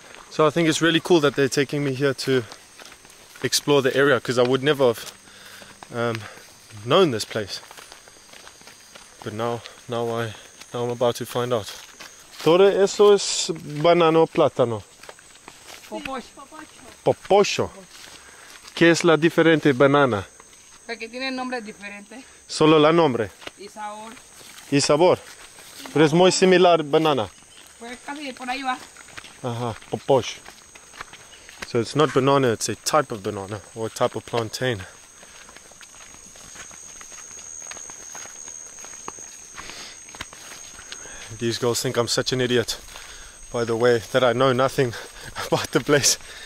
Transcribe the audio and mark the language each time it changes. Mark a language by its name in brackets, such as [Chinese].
[English] So I think it's really cool that they're taking me here to explore the area, because I would never have known this place. But now I'm about to find out. [Spanish] ¿Todo eso es banano plátano? Popocho. Popocho. ¿Qué es la diferente banana? Porque tiene nombre diferente. Solo la nombre. Y sabor. Pero es muy similar banana. Pues casi por ahí va. Ajá, popocho. [English] So it's not banana, it's a type of banana or a type of plantain. These girls think I'm such an idiot, by the way, that I know nothing about the place.